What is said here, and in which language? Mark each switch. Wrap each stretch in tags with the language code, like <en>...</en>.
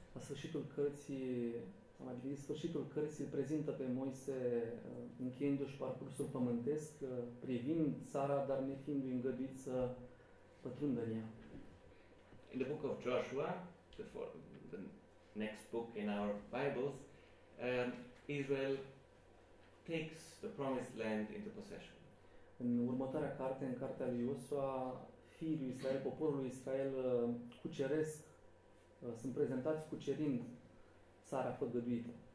<ro>La sfârșitul cărții, mai bine, sfârșitul cărții îl prezintă pe Moise încheiindu-și parcursul pământesc, privind țara, dar nefiindu-i îngăduit să pătrundă în ea.</ro> <en>In the book of Joshua, the next book in our Bibles, Israel takes the promised land into possession.</en> <ro>În următoarea carte, în cartea lui Iosua, fiii lui Israel, poporul lui Israel cuceresc, sunt prezentați cucerind țara făgăduită.</ro>